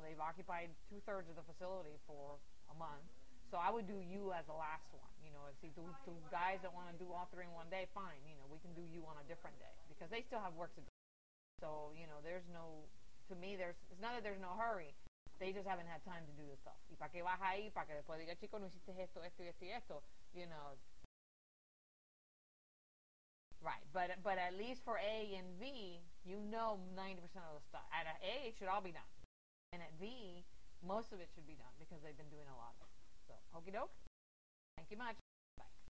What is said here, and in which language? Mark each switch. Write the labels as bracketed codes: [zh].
[en] They've occupied 2/3 of the facility for a month. So I would do you as the last one. You know, if see, two guys that want to do all 3 in one day, fine. You know, we can do you on a different day because they still have work to do. So, you know, there's no, to me, it's not that there's no hurry. They just haven't had time to do the stuff. [es] ¿Y para qué vas ahí? ¿Para que después diga, chico, no hiciste esto, esto y esto y esto? [en] You know. Right. But at least for A and B, you know 90% of the stuff. At A, it should all be done. And at B, most of it should be done because they've been doing a lot of it. So, okie doke. Thank you much. Bye.